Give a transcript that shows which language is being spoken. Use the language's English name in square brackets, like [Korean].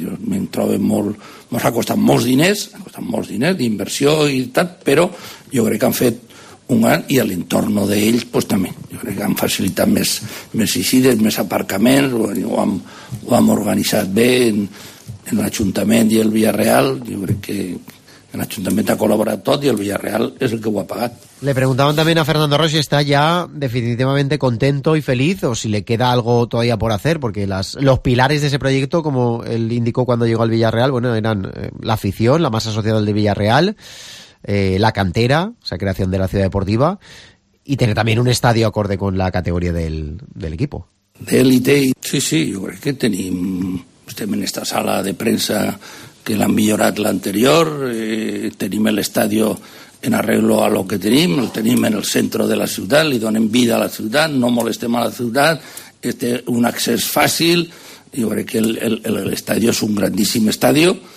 [Catalan] Jo me'n trobo molt, ens ha costat molts diners, ha costat molts diners d'inversió i tal, però jo crec que han fet un gran, i a l'entorn d'ells, pues, també. Jo crec que han facilitat més eixides, més aparcaments, ho hem organitzat bé en l'Ajuntament i el Villarreal. Jo crec que l'Ajuntament ha col·laborat tot i el Villarreal és el que ho ha pagat. [Spanish] Le preguntaban también a Fernando Roche si está ya definitivamente contento y feliz o si le queda algo todavía por hacer, porque los pilares de ese proyecto, como él indicó cuando llegó al Villarreal, bueno, eran la afición, la masa social del Villarreal, la cantera, o sea, creación de la ciudad deportiva, y tener también un estadio acorde con la categoría del equipo. De élite, sí, yo creo que [Catalan] estem en esta sala de prensa que l'han millorat l'anterior, tenim l'estadi [Spanish] en arreglo a lo que [Catalan] tenim, el tenim en el centre de la ciutat, li donem vida a la ciutat, no molestem a la ciutat, té un accés fàcil, jo crec que l'estadi és un grandíssim estadi